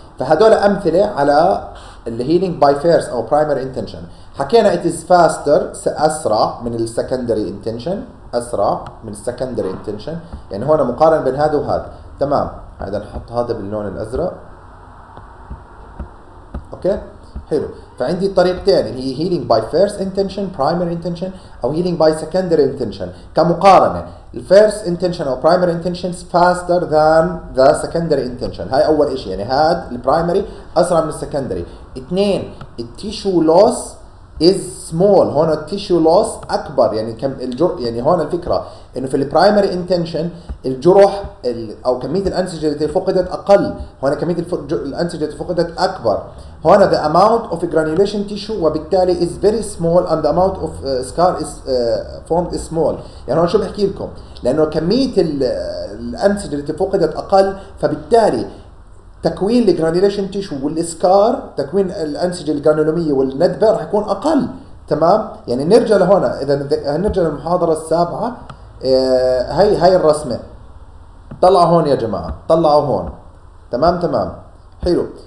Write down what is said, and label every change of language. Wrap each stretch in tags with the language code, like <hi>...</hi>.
<ar>فهدول أمثلة على الهيلينج باي فيرست أو برايمري انتنشن. حكينا</ar> <en>it is faster،</en> <ar>أسرع من السكندري انتنشن، أسرع من السكندري انتنشن، يعني هون مقارن بين هذا وهذا. تمام، هذا نحط هذا باللون الأزرق. أوكي، حلو. فعندي طريقتين اللي هي</ar> <en>healing by first intention primary intention</en> <ar>أو healing by secondary intention. كمقارنة ال first intention أو primary intention</ar> <en>faster than the secondary intention،</en> <ar>هاي أول إشي، يعني هاد ال primary أسرع من ال secondary. اثنين، ال</ar> <en>tissue loss is small،</en> <ar>هون ال tissue loss أكبر، يعني كم الجر، يعني هون الفكرة إنه في ال primary intention الجرح أو كمية الأنسجة التي فقدت أقل، هون كمية الأنسجة التي فقدت أكبر. هنا</ar> <en>the amount of granulation tissue</en> <ar>وبالتالي</ar> <en>is very small and the amount of scar is formed is small.</en> <ar>يعني هون شو بحكي لكم؟ لأنه كمية الأنسجة التي فقدت أقل، فبالتالي تكوين الـ granulation tissue والسكار، تكوين الأنسجة الجرانولومية والندبة رح يكون أقل. تمام؟ يعني نرجع لهنا، إذا نرجع للمحاضرة السابعة، هاي الرسمة، طلعوا هون يا جماعة، طلعوا هون. تمام. حلو.</ar>